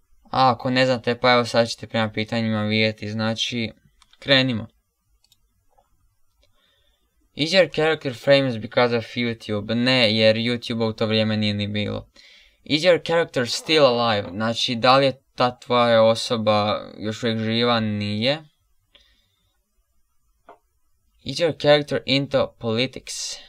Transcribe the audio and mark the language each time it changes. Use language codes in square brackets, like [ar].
[hr] A ako ne znate, pa evo sad ćete prema pitanjima vidjeti. Znači, krenimo. [en] Is your character famous because of YouTube? [hr] Ne, jer YouTube u to vrijeme nije ni bilo. [en] Is your character still alive? [hr] Znači, da li je ta tvoja osoba još uvijek živa? Nije. [en] Is your character into politics?